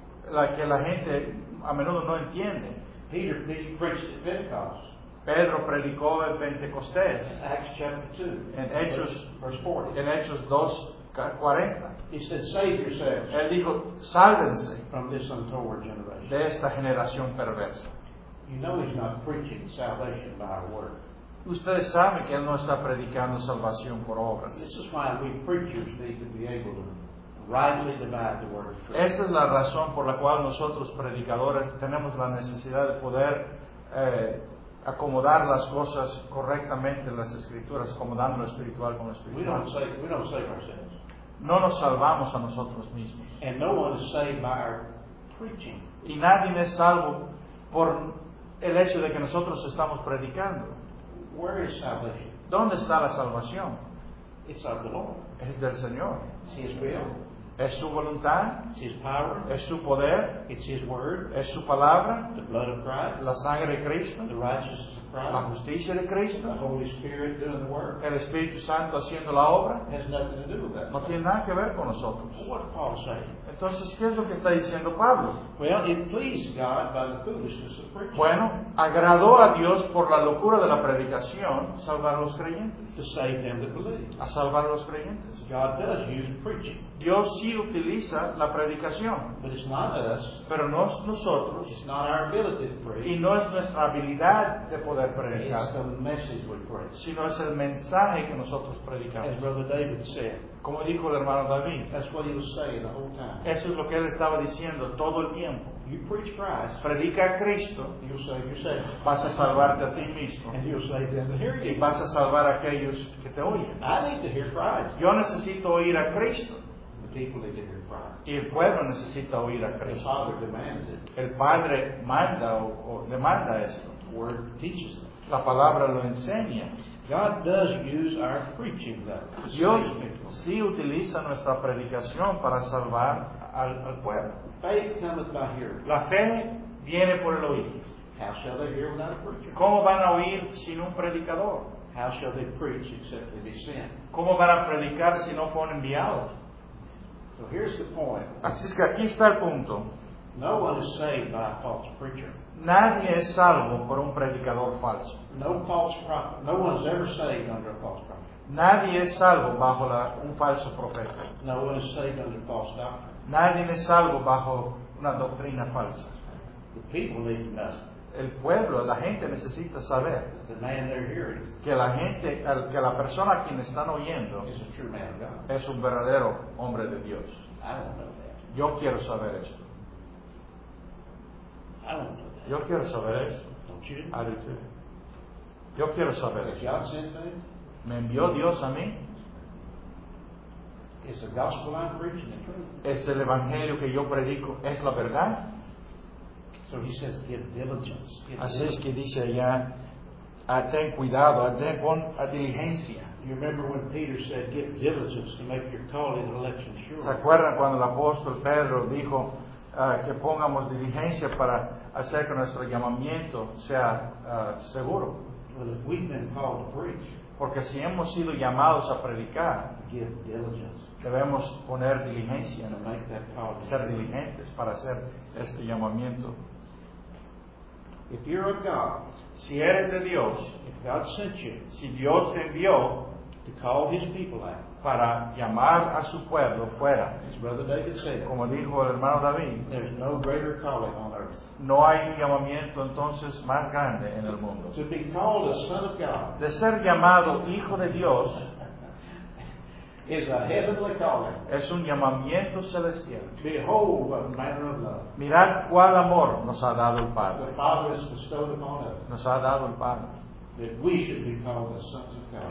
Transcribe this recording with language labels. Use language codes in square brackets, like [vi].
[es] La que la gente a menudo no entiende. [en] Peter preached at Pentecost. [es] Pedro predicó en Pentecostés. [en] Acts chapter 2. [es] En Hechos, [en] verse 40. [es] En Hechos 2. 40. [en] He said, "Save yourselves." [es] Él dijo, "Sálvense [en] from this untoward generation." [es] De esta generación perversa. [en] You know he's not preaching salvation by our word. [es] Ustedes saben que él no está predicando salvación por obras. [en] This is why we preachers need to be able to rightly divide the word of truth. [es] Esa es la razón por la cual nosotros predicadores tenemos la necesidad de poder acomodar las cosas correctamente en las escrituras, acomodando lo espiritual con lo espiritual. [en] We don't save ourselves. [es] No nos salvamos a nosotros mismos. [en] And no one is saved by our preaching. [es] Y nadie es salvo por el hecho de que nosotros estamos predicando. [en] Where is salvation? [es] ¿Dónde está la salvación? [en] It's of the Lord. [es] Es del Señor. [en] It's His will. [es] Es su voluntad. [en] It's His power. [es] Es su poder. [en] It's His word. [es] Es su palabra. [en] The blood of Christ. [es] La sangre de Cristo. [en] The righteousness of Christ. [es] La justicia de Cristo. [en] The Holy Spirit doing the work. [es] El Espíritu Santo haciendo la obra. [en] Has nothing to do with that. [es] No tiene nada que ver con nosotros. [en] So what Paul saying? [es] Entonces, ¿qué es lo que está diciendo Pablo? [en] Well, it pleased God by the foolishness of preaching. [es] Bueno, agradó a Dios por la locura de la predicación salvar a los creyentes. [en] To save them that believe. [es] A salvar a los creyentes. [en] God does use preaching. [es] Dios sí utiliza la predicación. [en] But it's not us. [es] Pero no es nosotros. [en] It's not our ability to preach. [es] Y no es nuestra habilidad de poder predicar. [en] It's the message we preach. [es] Sino es el mensaje que nosotros predicamos. [en] As Brother David said. [es] Como dijo el hermano David, [en] that's what he was saying the whole time. [es] Eso es lo que él estaba diciendo todo el tiempo. [en] You preach Christ, [es] predica a Cristo, [en] you'll save yourself. [es] Vas a salvarte a ti mismo. [en] And you'll save them to hear you. [es] Y vas a salvar a aquellos que te oyen. [en] I need to hear Christ. [es] Yo necesito oír a Cristo. [en] The people need to hear Christ. [es] Y el pueblo necesita oír a Cristo. [en] The Father demands it. [es] El Padre manda o demanda esto. [en] The word teaches it. [es] La palabra lo enseña. [en] God does use our preaching, though. [es] Dios sí utiliza nuestra predicación para salvar al pueblo. [en] Faith cometh by hearing. [es] La fe viene por el oír. [en] How shall they hear without a preacher? [es] ¿Cómo van a oír sin un predicador? [en] How shall they preach except they be sent? [es] ¿Cómo van a predicar si no fueron enviados? [en] So here's the point. [es] Así es que aquí está el punto. [en] No one is saved by a false preacher. [es] Nadie es salvo por un predicador falso. [en] No false prophet. No one's ever saved under a false prophet. [es] Nadie es salvo bajo un falso profeta. [en] No one is saved under false doctrine. [es] Nadie es salvo bajo una doctrina falsa. [en] The people need to know. [es] El pueblo, la gente necesita saber [en] the man they're hearing [es] que la gente, que la persona a quien están oyendo [en] is a true man of God. [es] Es un verdadero hombre de Dios. [en] I don't know that. [es] Yo quiero saber eso. [en] I don't know. [es] Yo quiero saber esto. [en] Don't you? I do too. [es] Yo quiero saber esto. [en] God sent me? [es] ¿Me envió Dios a mí? [en] Is the gospel I'm preaching the truth? [es] ¿Es el evangelio que yo predico? ¿Es la verdad? [en] So he says, give diligence. [es] Así es que dice allá, ten cuidado, a ten con a diligencia. [en] You remember when Peter said, "Get diligence to make your calling and election sure." [es] ¿Se acuerdan cuando el apóstol Pedro dijo que pongamos diligencia para hacer que nuestro llamamiento sea seguro? [en] Well, if we've been called to preach, [es] porque si hemos sido llamados a predicar, [en] give diligence. [es] Debemos poner diligencia, [en] to make that call to [es] ser diligentes para hacer este llamamiento. [en] If you're of God, [es] si eres de Dios, [en] if God sent you, [es] si Dios te envió, [en] to call His people out, [es] para llamar a su pueblo fuera, [en] as Brother David said, [es] como dijo el hermano David, [en] there's no greater calling on earth. [es] No hay un llamamiento entonces más grande en el mundo. [en] To be called a son of God, [es] de ser llamado hijo de Dios, [en] is a heavenly calling. [es] Es un llamamiento celestial. [en] Behold, what manner of love. [es] Mirad cuál amor nos ha dado el Padre. [en] The Father has bestowed upon us. [es] Nos ha dado el Padre. [en] That we should be called the sons of God.